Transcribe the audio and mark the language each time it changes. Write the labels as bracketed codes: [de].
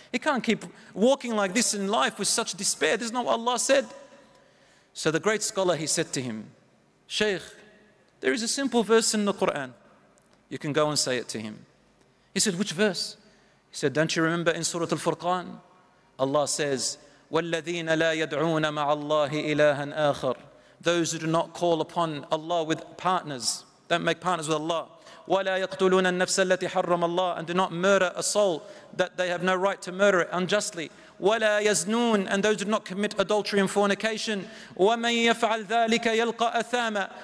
[en] He can't keep walking like this in life with such despair. This is not what Allah said. So the great scholar, he said to him, Shaykh, there is a simple verse in the Quran. You can go and say it to him. He said, which verse? He said, don't you remember in Surah Al-Furqan? Allah says, [ar] وَالَّذِينَ لَا يَدْعُونَ مَعَ اللَّهِ إِلَٰهًا آخَرٍ. [en] Those who do not call upon Allah with partners, don't make partners with Allah. [ar] وَلَا يَقْتُلُونَ النَّفْسَ الَّتِي حَرَّمَ اللَّهِ. [en] And do not murder a soul that they have no right to murder it unjustly. [ar] وَلَا يَزْنُونَ. [en] And those who do not commit adultery and fornication. [ar] وَمَن يَفْعَلْ ذَلِكَ يَلْقَ أَثَامًا.